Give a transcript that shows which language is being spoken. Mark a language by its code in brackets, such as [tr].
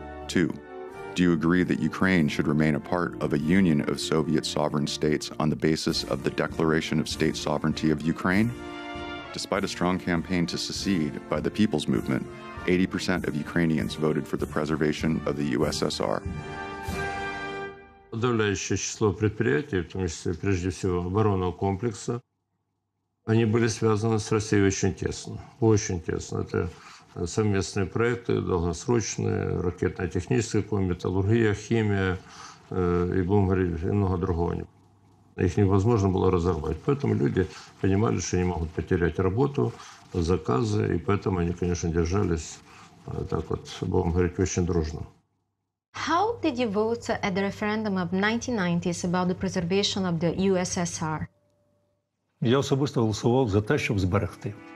[en] Two, do you agree that Ukraine should remain a part of a Union of Soviet Sovereign States on the basis of the Declaration of State Sovereignty of Ukraine? Despite a strong campaign to secede by the People's Movement, 80% of Ukrainians voted for the preservation of the USSR. [ru] Подавляюще число предприятий, [uk] в тому числі, [ru] прежде всего, [uk] оборонного комплекса, вони були зв'язані з Росією дуже тісно. Дуже тісно. Це совместні проекти, довгосрочні, ракетно-технічні комплекси, металургія, хімія і, будемо говорити, і багато другого. Їх невозможно було розірвати. Тому люди розуміли, що вони можуть втратити роботу, закази, і тому вони, звісно, тримались так от, будемо говорити, дуже дружно. [en] How did you vote at the referendum of 1990s about the preservation of the USSR? [uk] Я особисто голосував за те, щоб зберегти.